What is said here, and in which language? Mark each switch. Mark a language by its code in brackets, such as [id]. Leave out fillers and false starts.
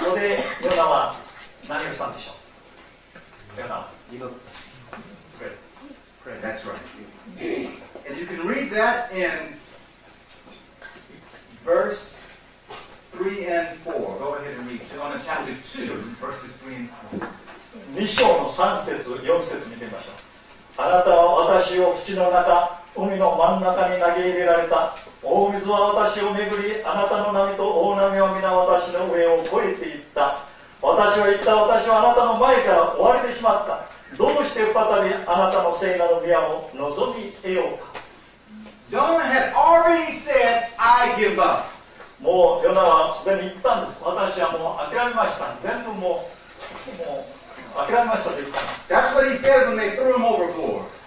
[ja] ここでヨナは何をしたんでしょう。ヨナは祈った。 [en] Pray. That's right. And you can read that in verse 3 and 4. Go ahead and read Jonah chapter 2, verses 3 and 4. [ja] 2章の3節4節見てみましょう。あなたは私を淵の中海の真ん中に投げ入れられた。大水は私を巡り、あなたの波と大波は皆私の上を越えていった。私は言った、私はあなたの前から追われてしまった。どうして再びあなたの聖なる宮を望み得ようか。 [en] Jonah had already said I give up. [ja] もうヨナはすでに言ったんです。私はもう諦めました。全部もう諦めましたと言った。 [en] That's what he said when they threw him overboard.